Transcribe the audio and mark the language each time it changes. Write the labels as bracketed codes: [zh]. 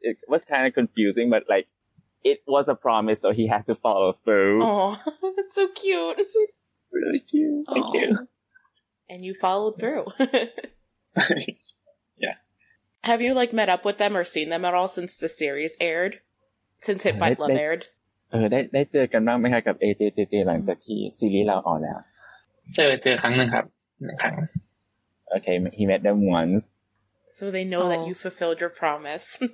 [en] It was kind of confusing, but like it was a promise, so he had to follow through. Oh, that's so cute. Really cute. Aww. Thank you. And you followed through. Yeah. Have you like met up with them or seen them at all since the series aired? Since Hit by Love aired? [th] ได้เจอกันบ้างไหมคะกับ AJ JJ หลังจากที่ซีรีส์เราออนแล้ว เจอครั้งหนึ่งครับครั้ง [en] okay he met them once so they know that you fulfilled your promise